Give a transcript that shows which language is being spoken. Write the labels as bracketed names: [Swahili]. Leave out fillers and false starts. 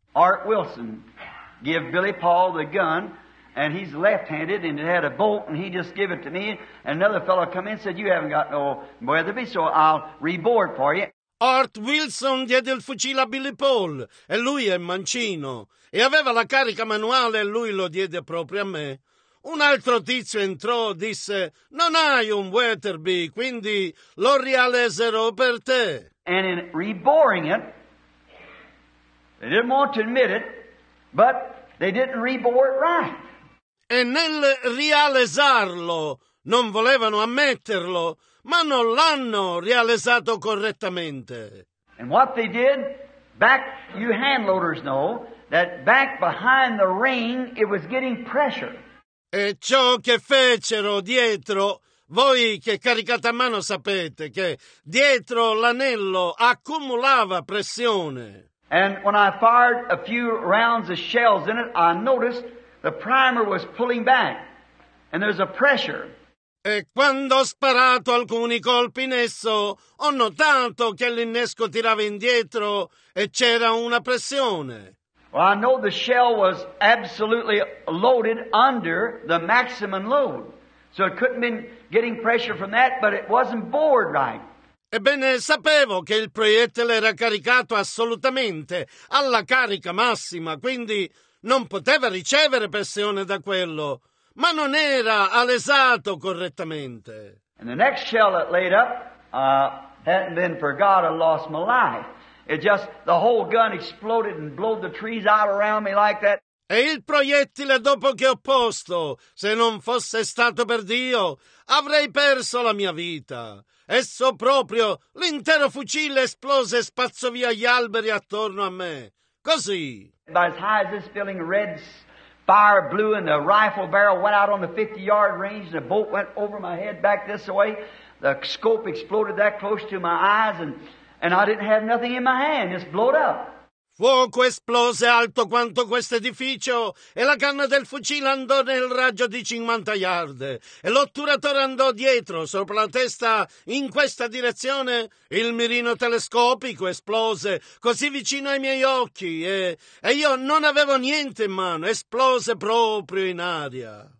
[English] Art Wilson gave Billy Paul the gun and he's left-handed, and it had a bolt, and he just gave it to me. And another fellow come in and said, you haven't got no Weatherby, so I'll rebore it for you. [Italian] Art Wilson diede il fucile a Billy Paul, e lui è mancino, e aveva la carica manuale, e lui lo diede proprio a me. Un altro tizio entrò e disse, non hai un Weatherby, quindi lo rialeserò per te. [English] And in reboring it, they didn't want to admit it, but they didn't rebore it right. [Italian] E nel rialesarlo, non volevano ammetterlo, ma non l'hanno rialesato correttamente. [English] And what they did, back, you hand loaders know, that back behind the ring, it was getting pressure. [Italian] E ciò che fecero dietro, voi che caricate a mano sapete che dietro l'anello accumulava pressione. [English] And when I fired a few rounds of shells in it, I noticed the primer was pulling back, and there's a pressure. [Italian] E quando ho sparato alcuni colpi in esso, ho notato che l'innesco tirava indietro e c'era una pressione. [English] Well, I know the shell was absolutely loaded under the maximum load, so it couldn't have been getting pressure from that, but it wasn't bored right. [Italian] Ebbene, sapevo che il proiettile era caricato assolutamente alla carica massima, quindi non poteva ricevere pressione da quello, ma non era alesato correttamente. [English] And the next shell that laid up hadn't been for God, I lost my life. It just, the whole gun exploded and blowed the trees out around me like that. [Italian] E il proiettile dopo che ho posto, se non fosse stato per Dio, avrei perso la mia vita. Esso proprio, l'intero fucile esplose e spazzò via gli alberi attorno a me. Così. [English] By as high as this building, red fire blew and the rifle barrel went out on the 50-yard range and the bolt went over my head back this way. The scope exploded that close to my eyes and I didn't have nothing in my hand, just blowed up. [Italian] Fuoco esplose alto quanto questo edificio e la canna del fucile andò nel raggio di 50 yard e l'otturatore andò dietro sopra la testa in questa direzione. Il mirino telescopico esplose così vicino ai miei occhi e io non avevo niente in mano, esplose proprio in aria.